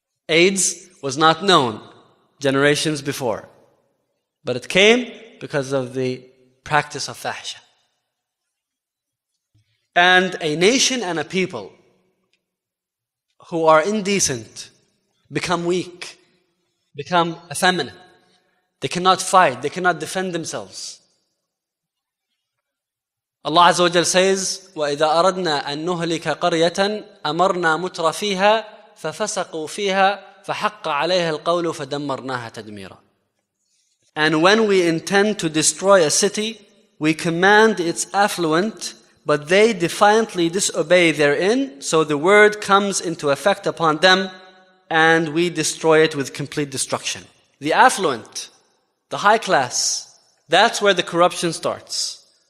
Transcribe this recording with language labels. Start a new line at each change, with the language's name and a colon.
English: AIDS was not known generations before, but it came because of the practice of fahisha. And a nation and a people who are indecent become weak, become effeminate. They cannot fight. They cannot defend themselves. Allah Azza wa Jal says,
Arabic: وَإِذَا أَرَدْنَا أَن نُهْلِكَ قَرْيَةً أَمَرْنَا مُتْرَفِيهَا فَفَسَقُوا فِيهَا فَحَقَّ عَلَيْهَا الْقَوْلُ فَدَمَّرْنَاهَا تَدْمِيرًا.
English: And when we intend to destroy a city, we command its affluent, but they defiantly disobey therein, so the word comes into effect upon them, and we destroy it with complete destruction. The affluent, the high class, that's where the corruption starts.